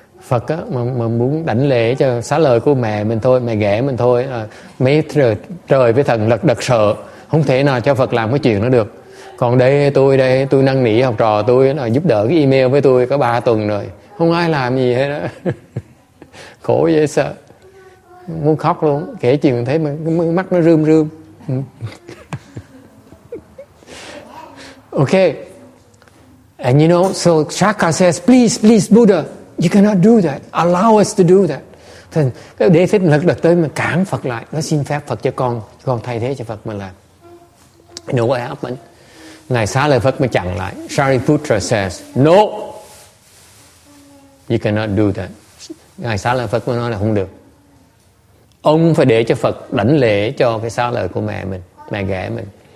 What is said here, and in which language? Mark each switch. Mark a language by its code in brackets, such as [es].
[vi] Phật á, mà muốn đảnh lễ cho xá lợi của mẹ mình thôi, mẹ ghẻ mình thôi, mấy trời với thần lật đật sợ, không thể nào cho Phật làm cái chuyện đó được. Còn đây, tôi năn nỉ học trò tôi là giúp đỡ cái email với tôi có 3 tuần rồi, không ai làm gì hết á. Khổ dễ sợ, muốn khóc luôn, kể chuyện thấy mà mắt nó rươm rươm. [en] Okay, and you know, so Shaka says, please Buddha, you cannot do that, allow us to do that. [vi] Then Đế Thích lật đật tới mà cản Phật lại, nó xin phép Phật cho con thay thế cho Phật mà làm. [en] You know what happened? [vi] Ngài Xá Lợi Phật mới chặn lại. [en] Shariputra says, no, you cannot do that. [vi] Ngài Xá Lợi Phật mới nói là không được. Ông phải để cho Phật đảnh lễ cho cái xá lợi của mẹ mình, mẹ ghẻ mình.